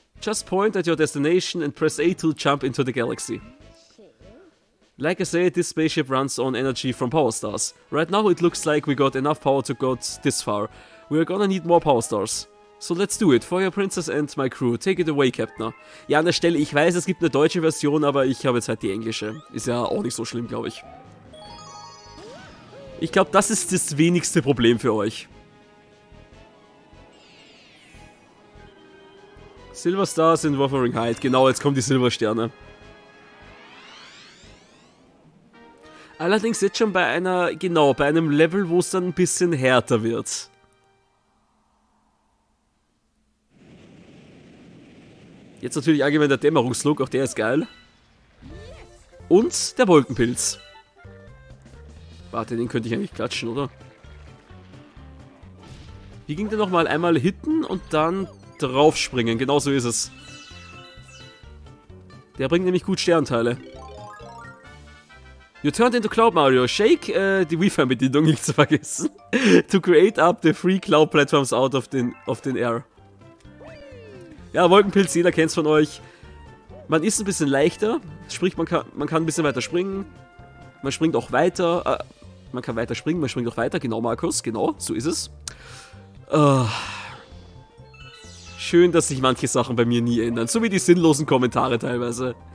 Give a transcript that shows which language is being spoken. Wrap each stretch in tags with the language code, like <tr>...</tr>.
<en>Just point at your destination and press A to jump into the galaxy. Like I say, this spaceship runs on energy from power stars. Right now it looks like we got enough power to go this far. We are gonna need more power stars. So let's do it, for your princess and my crew. Take it away, Captain.</en> <de>Ja, an der Stelle, ich weiß, es gibt eine deutsche Version, aber ich habe jetzt halt die englische. Ist ja auch nicht so schlimm, glaube ich. Ich glaube, das ist das wenigste Problem für euch.</de> <en>Silver Stars in Wuthering Heights.</en> <de>Genau, jetzt kommen die Silbersterne. Allerdings jetzt schon bei einer, genau, bei einem Level, wo es dann ein bisschen härter wird. Jetzt natürlich allgemein der Dämmerungslook, auch der ist geil. Und der Wolkenpilz. Warte, den könnte ich eigentlich klatschen, oder? Wie ging der nochmal? Einmal hitten und dann draufspringen. Genau so ist es. Der bringt nämlich gut Sternteile.</de> <en>You turned into Cloud Mario.</en> <de>Shake die Wii-Fan-Bedienung nicht zu vergessen.</de> <en>To create up the three cloud platforms out of the air.</en> <de>Ja, Wolkenpilz, jeder kennt's von euch. Man ist ein bisschen leichter. Sprich, man kann ein bisschen weiter springen. Man springt auch weiter. Man kann weiter springen, man springt auch weiter. Genau, Markus. Genau, so ist es. Schön, dass sich manche Sachen bei mir nie ändern. So wie die sinnlosen Kommentare teilweise.</de>